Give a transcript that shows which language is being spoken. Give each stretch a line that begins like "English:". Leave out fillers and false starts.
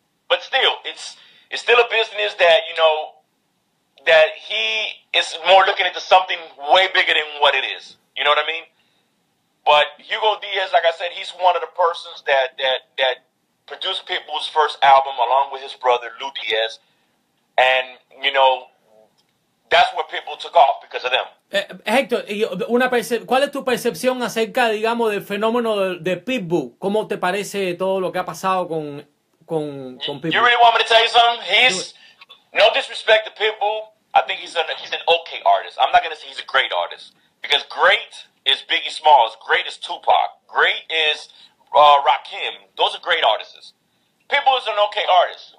English: But still, it's still a business that, you know, that he is more looking into something way bigger than what it is. You know what I mean? But Hugo Diaz, like I said, he's one of the persons that produced Pitbull's first album along with his brother, Lou Diaz. And, you know, That's where people took off because of them.
Spanish: Hector, ¿cuál es tu percepción acerca, digamos, del fenómeno de Pitbull? ¿Cómo te parece todo lo que ha pasado con Pitbull?
English: You really want me to tell you something? He's, no disrespect to Pitbull, I think he's an okay artist. I'm not going to say he's a great artist. Because great is Biggie Smalls. Great is Tupac. Great is Rakim. Those are great artists. Pitbull is an okay artist.